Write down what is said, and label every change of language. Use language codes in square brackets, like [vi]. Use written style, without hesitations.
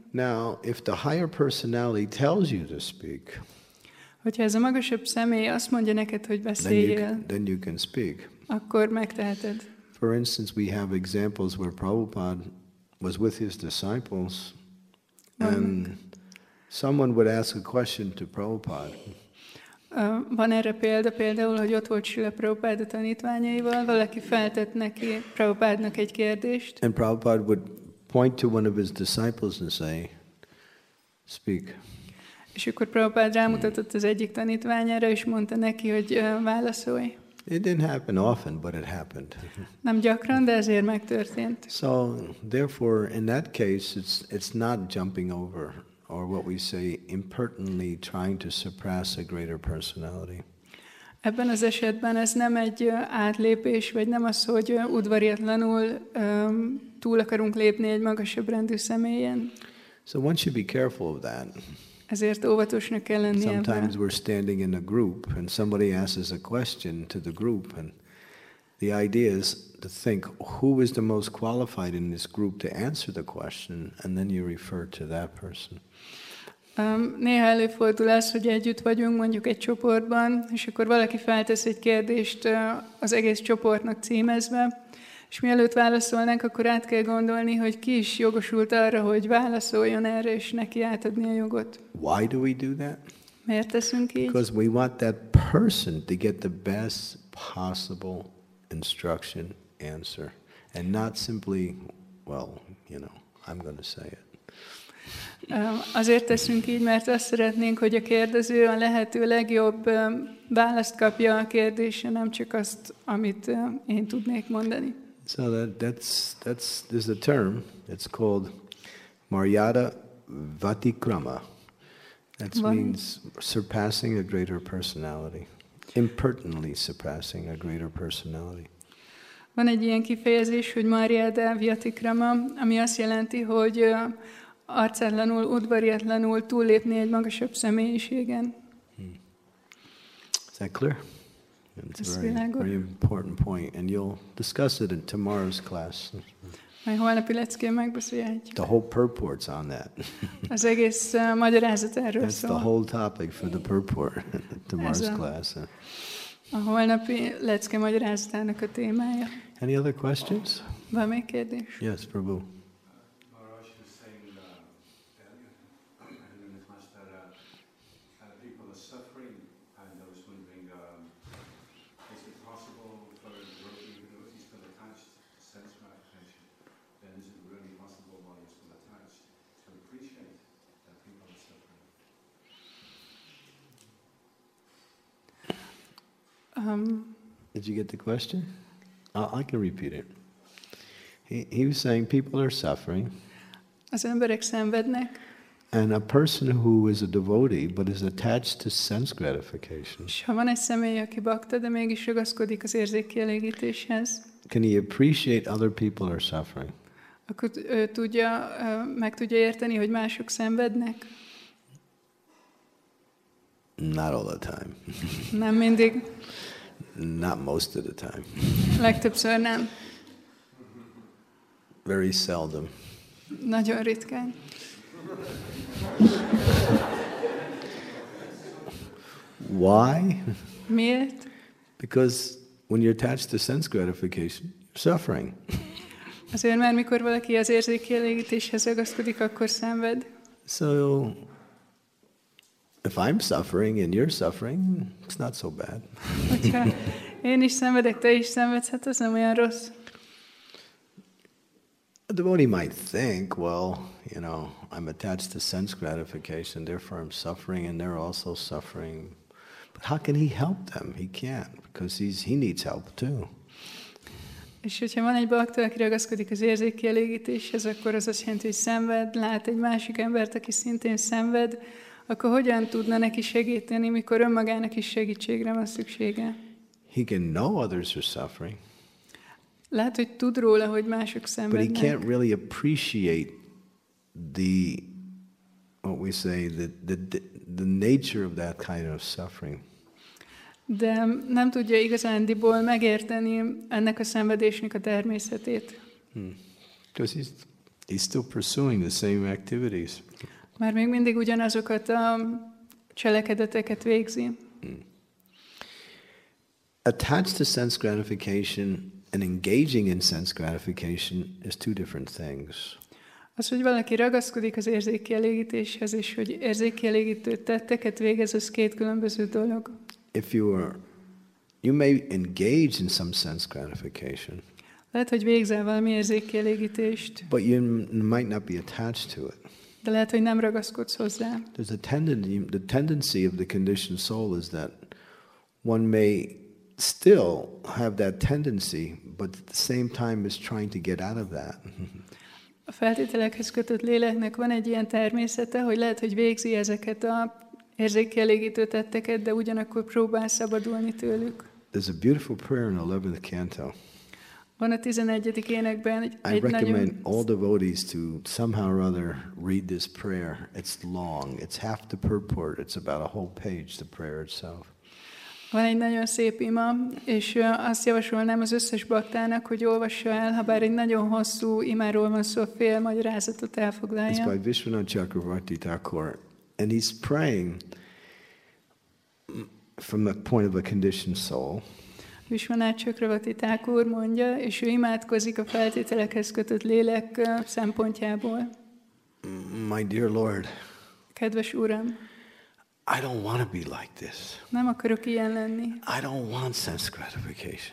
[en] Now, if the higher personality tells you to speak, [hu] hogyha ez a magasabb személy azt mondja neked, hogy beszéljél, [en] then you can speak. [hu] Akkor megteheted. [en] For instance, we have examples where Prabhupada was with his disciples, and someone would ask a question to Prabhupada. [hu] Van erre például, hogy ott volt Srila Prabhupada tanítványaival, valaki feltett neki Prabhupádnak egy kérdést. [en] And Prabhupada would point to one of his disciples and say, speak. [hu] És akkor Prabhupada rámutatott az egyik tanítványára, és mondta neki, hogy válaszolj. [en] It didn't happen often, but it happened. [hu] Nem gyakran, de ezért megtörtént. [en] So, therefore, in that case, it's not jumping over, or what we say, impertinently trying to suppress a greater personality. [hu] Ebben az esetben ez nem egy átlépés, vagy nem az, hogy udvariatlanul túl akarunk lépni egy magasabb rendű személyen. [en] So one should be careful of that. [hu] Ezért óvatosnak kell lenni. [en] Sometimes we're standing in a group and somebody asks a question to the group and the idea is to think who is the most qualified in this group to answer the question and then you refer to that person. [hu] Néha előfordul az, hogy együtt vagyunk mondjuk egy csoportban, és akkor valaki feltesz egy kérdést az egész csoportnak címezve, És mielőtt válaszolnánk, akkor át kell gondolni, hogy ki is jogosult arra, hogy válaszoljon erre, és neki átadni a jogot. [en] Why do we do that? [hu] Miért teszünk így? [en] Because we want that person to get the best possible instruction, answer. And not simply, well, you know, I'm going to say it. [hu] Azért teszünk így, mert azt szeretnénk, hogy a kérdező a lehető legjobb választ kapja a kérdésre, nem csak azt, amit én tudnék mondani. [en] So there's a term, it's called Maryada Vatikrama. That means surpassing a greater personality, impertinently surpassing a greater personality. [hu] Van egy ilyen kifejezés, hogy Maryada Vatikrama, ami azt jelenti, hogy arcellenül, udvariatlanul túllépni egy magasabb személyiségen. [en] Is that clear? It's a very important point, and you'll discuss it in tomorrow's class. [hu] Majd holnapi leckén megbeszéljük. [en] The whole purport's on that. [hu] Az egész magyarázat erről szól. [en] That's the whole topic for the purport in tomorrow's class. [hu] A holnapi lecke magyarázatának a témája. [en] Any other questions? [hu] Van még kérdés? [en] Yes, Prabhu. Did you get the question? I can repeat it. He was saying people are suffering. [hu] Az emberek szenvednek. [en] And a person who is a devotee but is attached to sense gratification. [hu] Ha van egy személy, aki bakta, de mégis ragaszkodik az érzékkielégítéshez. [en] Can he appreciate other people are suffering? [hu] Akkor tudja, meg tudja érteni, hogy mások szenvednek? [en] Not all the time. [hu] Nem mindig. [en] Not most of the time. [hu] Legtöbbször nem. [en] Very seldom. [hu] Nagyon ritkán. [en] Why? [hu] Miért? [en] Because when you're attached to sense gratification, you're suffering. [hu] Azért, mert mikor valaki az érzékkielégítéshez ragaszkodik, akkor szenved. [en] So, if I'm suffering and you're suffering, it's not so bad. [hu] Én is szenvedek, te is szenvedsz, hát ez nem olyan rossz. [en] A devotee might think, well, you know, I'm attached to sense gratification, therefore I'm suffering and they're also suffering. But how can he help them? He can't, because he needs help too. [hu] És hogyha van egy bakta, aki ragaszkodik az érzékkielégítéshez, akkor az azt jelenti, hogy szenved, lát egy másik embert, aki szintén szenved, akkor hogyan tudna neki segíteni, mikor önmagának is segítségre van szüksége? [en] He can know others are suffering. [hu] Lehet, hogy tud róla, hogy mások szenvednek. [en] But he can't really appreciate the nature of that kind of suffering. [hu] De nem tudja igazándiból megérteni ennek a szenvedésnek a természetét. [en] Because he's still pursuing the same activities. [hu] Mert még mindig ugyanazokat a cselekedeteket végzi. [en] Attached to sense gratification and engaging in sense gratification is two different things. [hu] Az, hogy valaki ragaszkodik az érzékkielégítéshez, és hogy érzékkielégítő tetteket végez, az két különböző dolog. [en] If you may engage in some sense gratification. [hu] Lehet, hogy végzel valami érzékkielégítést. [en] But you might not be attached to it. [hu] De lehet, hogy nem ragaszkodsz hozzá. [en] There's the tendency of the conditioned soul is that one may still have that tendency, but at the same time is trying to get out of that. [hu] A feltételekhez kötött léleknek van egy ilyen természete, hogy lehet, hogy végzi ezeket a érzékkielégítő tetteket, de ugyanakkor próbál szabadulni tőlük. [en] There's a beautiful prayer in the 11th canto. [hu] Van a 11. énekben egy nagyon... [en] I recommend all devotees to somehow or other read this prayer. It's long. It's half the purport. It's about a whole page, the prayer itself. [hu] Van egy nagyon szép ima, és azt javasolnám az összes baktának, hogy olvassa el, ha bár egy nagyon hosszú imáról van szó, fél magyarázatot elfoglalja. [en] It's by Vishwanath Chakravarti Thakur, and he's praying from the point of a conditioned soul. [hu] Vishwanath Chakravarti Thakur mondja, és ő imádkozik a feltételekhez kötött lélek szempontjából. [en] My dear Lord. [hu] Kedves Uram. [en] I don't want to be like this. [hu] Nem akarok ilyen lenni. [en] I don't want sense gratification.